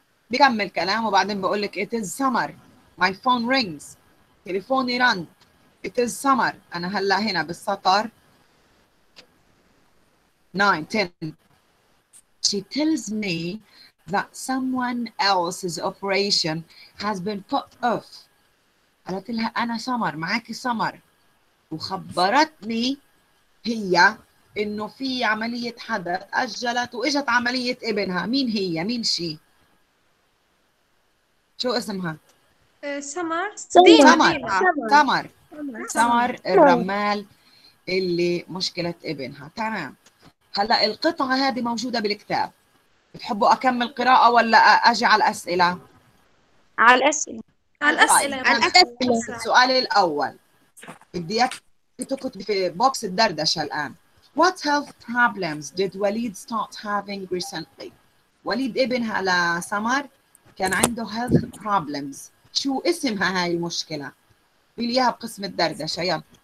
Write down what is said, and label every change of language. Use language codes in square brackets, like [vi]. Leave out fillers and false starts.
[ar] بكمل كلام وبعدين بقول لك [en] it is summer. My phone rings. [ar] تليفوني رن. [en] It is summer. [ar] أنا هلا هنا بالسطر. 9, 10. [en] She tells me that someone else's operation has been put off. [ar] قالت لها أنا سمر معاكي سمر وخبرتني هي إنه في عملية حدا تأجلت وإجت عملية ابنها مين هي مين شي شو اسمها سمر سمر سمر الرمال اللي مشكلة ابنها تمام هلا القطعة هذه موجودة بالكتاب. بتحبوا أكمل قراءة ولا أجي على الأسئلة؟ على الأسئلة. السؤال الأول. بدي تكتب في بوكس الدردشة الآن. [en] What health problems did Waleed start having recently? [ar] وليد ابنها لسمر كان عنده [en] health problems. [ar] شو اسمها هاي المشكلة؟ بليها بقسم الدردشة يلا.